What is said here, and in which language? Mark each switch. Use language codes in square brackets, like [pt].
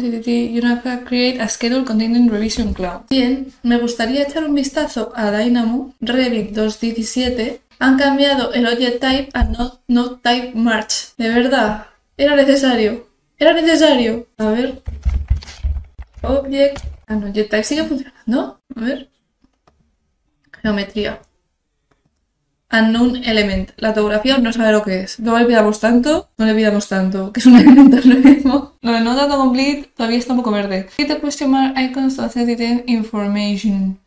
[en] You have to create a schedule containing revision cloud. [es] Bien, me gustaría echar un vistazo a Dynamo. Revit 2.17. Han cambiado el object type a not type merge. De verdad, era necesario. Era necesario. A ver. Object. Ah, no, object type sigue funcionando. A ver. Geometría. [en] Unknown element. [es] La topografía no sabe lo que es. No le pidamos tanto, no le pidamos tanto. Que es un elemento lo mismo. Lo de no data complete todavía está un poco verde. [en] Hit the question mark icons to access the information.